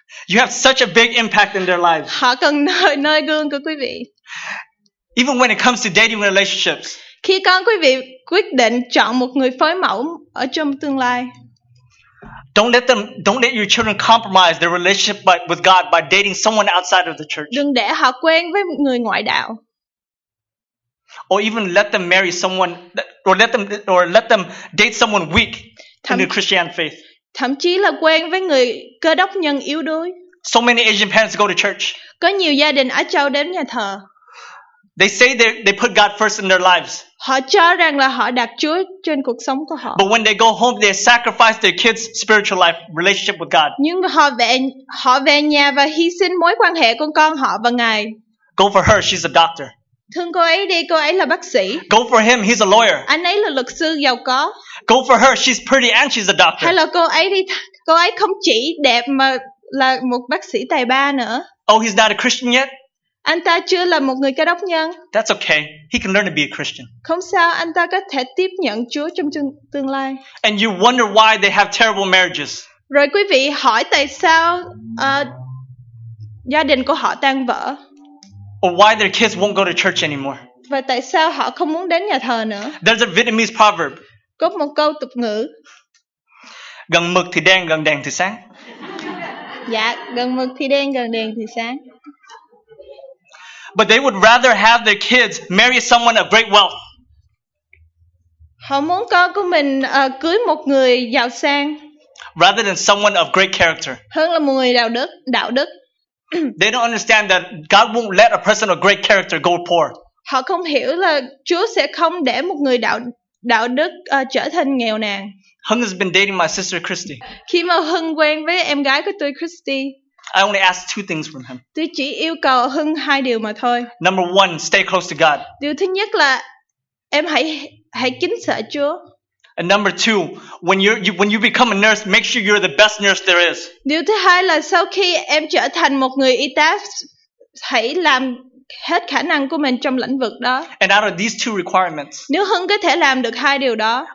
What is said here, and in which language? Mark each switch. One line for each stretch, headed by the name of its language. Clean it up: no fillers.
English: You have such a big impact in their lives.
Vietnamese: Họ cần noi gương của quý vị.
English: Even when it comes to dating relationships.
Vietnamese: Khi con quý vị quyết định chọn một người phối mẫu ở trong tương lai.
English: Don't let your children compromise their relationship with God by dating someone outside of the church.
Vietnamese: Đừng để họ quen với người ngoại đạo.
English: Or even let them marry someone, or let them date someone weak in the Christian faith.
Vietnamese: Thậm chí là quen với người Cơ Đốc nhân yếu đuối.
English: So many Asian parents go to church.
Vietnamese: Có nhiều gia đình Á Châu đến nhà thờ.
English: They say they put God first in their lives.
Vietnamese: Họ cho rằng là họ đặt Chúa trên cuộc sống của họ.
English: But when they go home, they sacrifice their kids' spiritual life, relationship with God.
Vietnamese: Nhưng họ về nhà và hy sinh mối quan hệ của con họ và Ngài.
English: Go for her, she's a doctor.
Vietnamese: Thương cô ấy đi, cô ấy là bác sĩ.
English: Go for him, he's a lawyer.
Vietnamese: Anh ấy là luật sư giàu có.
English: Go for her, she's pretty and she's a doctor.
Vietnamese: Hay là cô ấy đi, cô ấy không chỉ đẹp mà là một bác sĩ tài ba nữa.
English: Oh, he's not a Christian yet?
Vietnamese: Anh ta chưa là một người Cơ Đốc nhân.
English: That's okay. He can learn to be a Christian.
Vietnamese: Không sao, anh ta có thể tiếp nhận Chúa trong tương lai.
English: And you wonder why they have terrible marriages.
Vietnamese: Rồi quý vị hỏi tại sao gia đình của họ tan vỡ.
English: Or why their kids won't go to church anymore.
Vietnamese: Và tại sao họ không muốn đến nhà thờ nữa.
English: There's a Vietnamese proverb.
Vietnamese: Có một câu tục ngữ. Gần mực thì đen, gần đèn thì sáng. Dạ, gần mực thì đen, gần đèn thì sáng.
English: But they would rather have their kids marry someone of great wealth.
Vietnamese: Họ muốn con của mình cưới một người giàu sang.
English: Rather than someone of great character.
Vietnamese: Hơn là một người đạo đức.
English: They don't understand that God won't let a person of great character go poor.
Vietnamese: Họ không hiểu là Chúa sẽ không để một người đạo đức trở thành nghèo nàn.
English: Hưng has been dating my sister Christy.
Vietnamese: Khi mà Hưng quen với em gái của tôi Christy.
English: I only ask two things from him.
Vietnamese: Tôi chỉ yêu cầu Hưng hai điều mà thôi.
English: Number one, stay close to God.
Vietnamese: Điều thứ nhất là em hãy kính sợ Chúa.
English: And number two, when you become a nurse, make sure you're the best nurse there is.
Vietnamese: Điều thứ hai là sau khi em trở thành một người y tá, hãy làm hết khả năng của mình trong lĩnh vực đó.
English: And out of these two requirements,
Vietnamese: nếu Hưng có thể làm được hai điều đó,